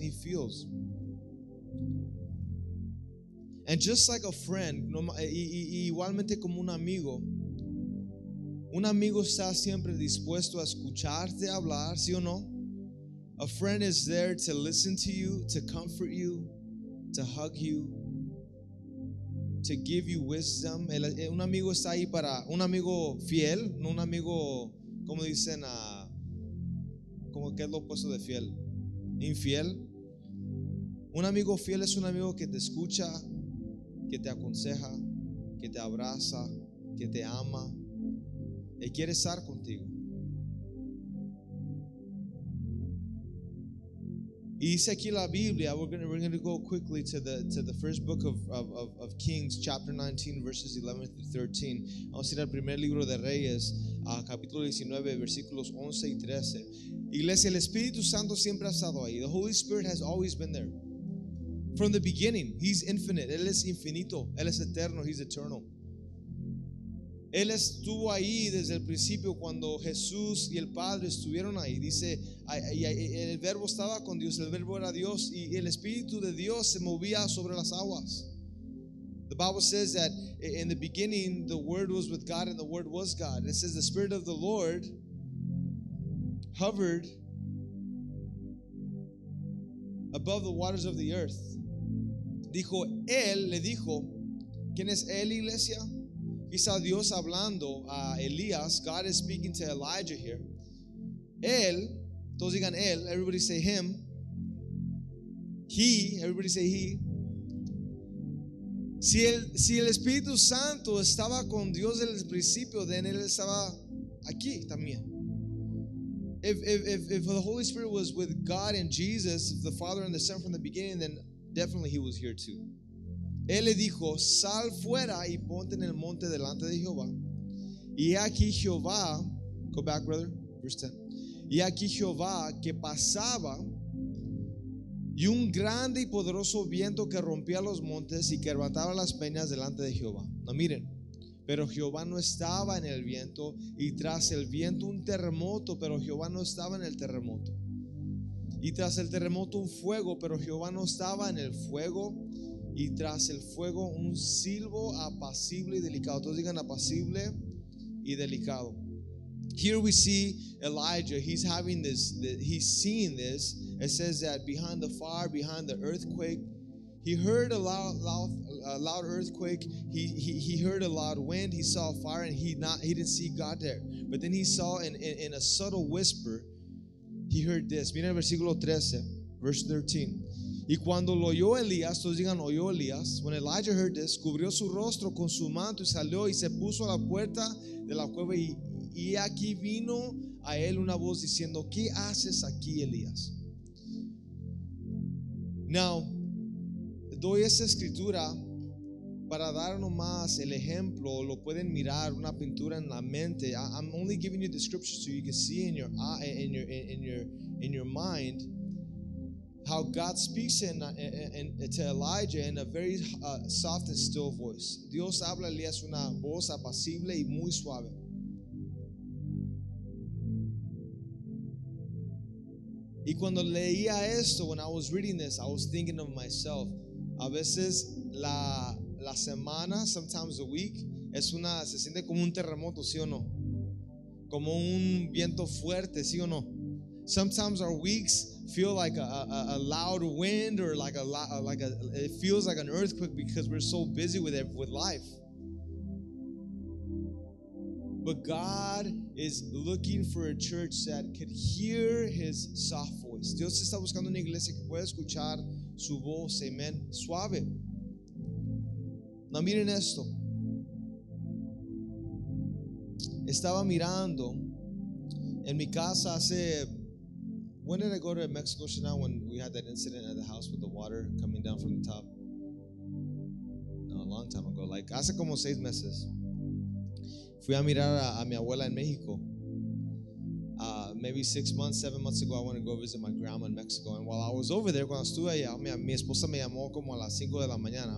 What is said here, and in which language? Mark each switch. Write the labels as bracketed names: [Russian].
[English] He feels, and just like a friend, [Spanish] igualmente como un amigo está siempre dispuesto a escucharte hablar, ¿sí o no? [English] A friend is there to listen to you, to comfort you, to hug you, to give you wisdom. [Spanish] Un amigo está ahí para un amigo fiel, no un amigo, como dicen, como que es lo opuesto de fiel, infiel. Un amigo fiel es un amigo que te escucha, que te aconseja, que te abraza, que te ama y quiere estar contigo. Y dice aquí la Biblia, [English] we're going to go quickly to the first book of Kings, chapter 19, verses 11 through 13. [Spanish] Vamos a ir al primer libro de Reyes, capítulo 19, versículos 11 y 13. Iglesia, el Espíritu Santo siempre ha estado ahí. [English] The Holy Spirit has always been there. From the beginning, He's infinite. [Spanish] Él es infinito. Él es eterno. [English] He's eternal. [Spanish] Él estuvo ahí desde el principio cuando Jesús y el Padre estuvieron ahí. Dice, el Verbo estaba con Dios, el Verbo era Dios, y el Espíritu de Dios se movía sobre las aguas. [English] The Bible says that in the beginning the Word was with God and the Word was God. It says the Spirit of the Lord hovered above the waters of the earth. [Spanish] Dijo, Él le dijo, ¿quién es Él, Iglesia? Quizá Dios hablando a Elías. [English] God is speaking to Elijah here. [Spanish] Él, todos digan Él, [English] everybody say Him. He, everybody say He. [Spanish] Si el Espíritu Santo estaba con Dios desde el principio, then Él estaba aquí también. [English] If the Holy Spirit was with God and Jesus, the Father and the Son from the beginning, then definitely he was here too. [Spanish] Él le dijo, sal fuera y ponte en el monte delante de Jehová. Y aquí Jehová, [English] go back, brother, verse 10. [Spanish] Y aquí Jehová que pasaba, y un grande y poderoso viento que rompía los montes y que arrebataba las peñas delante de Jehová. No, miren. Pero Jehová no estaba en el viento, y tras el viento un terremoto, pero Jehová no estaba en el terremoto. Y tras el terremoto un fuego, pero Jehová no estaba en el fuego. Y tras el fuego un silbo apacible y delicado. Todos digan apacible y delicado. [English] Here we see Elijah. He's having this, he's seeing this. It says that behind the fire, behind the earthquake, he heard a loud earthquake. He heard a loud wind. He saw fire, and he didn't see God there. But then he saw in a subtle whisper, he heard this. [Spanish] Mira el versículo 13, [English] verse 13. [Spanish] Y cuando lo oyó Elías, todos digan oyó Elías. [English] When Elijah heard this, [Spanish] cubrió su rostro con su manto y salió y se puso a la puerta de la cueva. Y aquí vino a él una voz diciendo, ¿qué haces aquí, Elías? Now, doy esa escritura para dar nomás el ejemplo, lo pueden mirar, una pintura en la mente. [English] I'm only giving you the scripture so you can see in your eye, in your mind how God speaks to Elijah in a very soft and still voice. [Spanish] Dios habla a Elías una voz apacible y muy suave. Y cuando leía esto, [English] when I was reading this, I was thinking of myself. [Spanish] A veces la semana, [English] sometimes a week, [Spanish] se siente como un terremoto, ¿sí o no? Como un viento fuerte, ¿sí o no? [English] Sometimes our weeks feel like a loud wind or like a it feels like an earthquake because we're so busy with life. But God is looking for a church that could hear his soft voice. [Spanish] Dios está buscando una iglesia que pueda escuchar su voz, amen, suave. No, miren esto. Estaba mirando en mi casa hace... [English] When did I go to Mexico, Shana, when we had that incident at the house with the water coming down from the top? No, a long time ago, like [Spanish] hace como 6 meses. Fui a mirar a mi abuela en México. [English] Maybe 6 months, 7 months ago, I wanted to go visit my grandma in Mexico. And while I was over there, [Spanish] cuando estuve allá, mi esposa me llamó como a las 5 de la mañana.